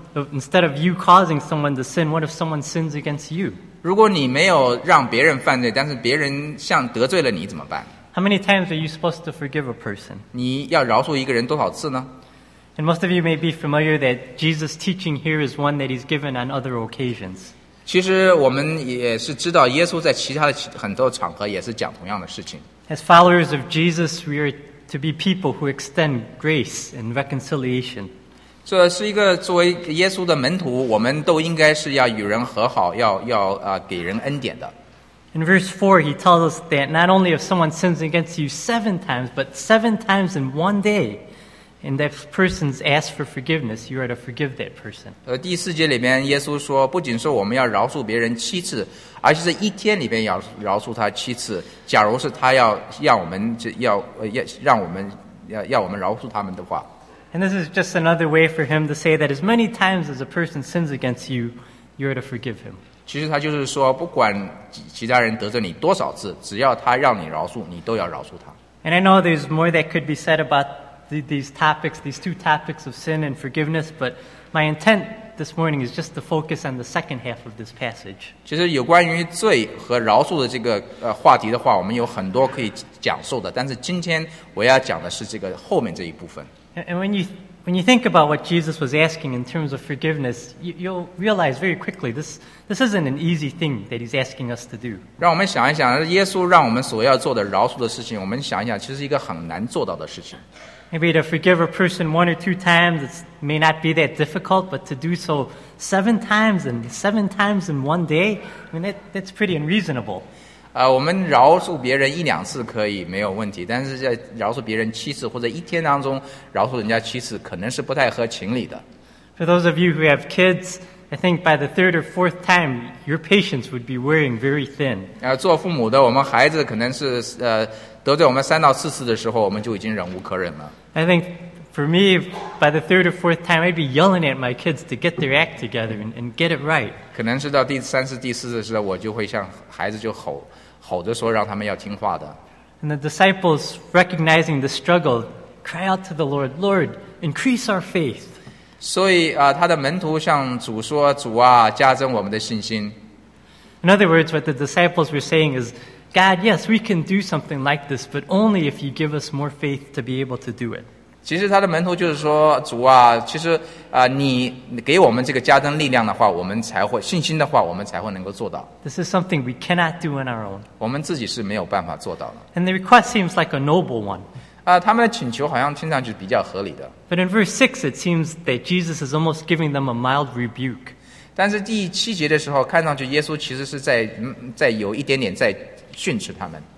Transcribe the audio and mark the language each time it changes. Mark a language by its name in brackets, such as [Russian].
[English] Instead of you causing someone to sin, what if someone sins against you? [Chinese] 如果你没有让别人犯罪，但是别人像得罪了你怎么办 [English] ？How many times are you supposed to forgive a person? [Chinese] 你要饶恕一个人多少次呢 [English] ？And most of you may be familiar that Jesus' teaching here is one that he's given on other occasions. [Chinese] 其实我们也是知道，耶稣在其他的很多场合也是讲同样的事情。 [English] As followers of Jesus, we are to be people who extend grace and reconciliation. [Chinese] 这是一个作为耶稣的门徒，我们都应该是要与人和好，要给人恩典的。 [English] In verse 4, he tells us that not only if someone sins against you seven times, but seven times in one day, and that person's asked for forgiveness, you are to forgive that person. [Chinese] 第四节里面，耶稣说，不仅说我们要饶恕别人七次。而且在一天里面要饶恕他七次，假如是他要让我们要让我们要我们饶恕他们的话。 [English] And this is just another way for him to say that as many times as a person sins against you, you are to forgive him. [Chinese] 其实他就是说，不管其他人得罪你多少次，只要他让你饶恕，你都要饶恕他。 [English] And I know there's more that could be said about these two topics of sin and forgiveness, but my intent. This morning is just to focus on the second half of this passage. [Chinese] 其实有关于罪和饶恕的这个话题的话，我们有很多可以讲述的。但是今天我要讲的是这个后面这一部分。 [English] And when you think about what Jesus was asking in terms of forgiveness, you'll realize very quickly this isn't an easy thing that he's asking us to do. [Chinese] 让我们想一想，耶稣让我们所要做的饶恕的事情，我们想一想，其实是一个很难做到的事情。 [English] Maybe to forgive a person one or two times, it may not be that difficult, but to do so seven times in one day, I mean, that's pretty unreasonable. [Chinese] 我们饶恕别人一两次可以没有问题，但是在饶恕别人七次或者一天当中饶恕人家七次，可能是不太合情理的。 [English] For those of you who have kids, I think by the third or fourth time, your patience would be wearing very thin. [Chinese] 做父母的，我们孩子可能是得罪我们三到四次的时候，我们就已经忍无可忍了。 [English] I think for me, by the third or fourth time, I'd be yelling at my kids to get their act together and get it right. [Chinese] 可能是到第三次、第四次的时候，我就会向孩子就吼着说，让他们要听话的。 [English] And the disciples, recognizing the struggle, cry out to the Lord, Lord, increase our faith. [Chinese] 所以他的门徒向主说，主啊，加增我们的信心。 [English] In other words, what the disciples were saying is, God, yes, we can do something like this, but only if you give us more faith to be able to do it. [Chinese] 其实他的门徒就是说，主啊，其实啊、你给我们这个加增力量的话，我们才会信心的话，我们才会能够做到。 [English] This is something we cannot do on our own. [Chinese] 我们自己是没有办法做到的。 [English] And the request seems like a noble one. [Chinese] 啊、他们的请求好像听上去比较合理的。 [English] But in verse 6, it seems that Jesus is almost giving them a mild rebuke. [Chinese] 但是第七节的时候，看上去耶稣其实是在有一点点在训斥他们。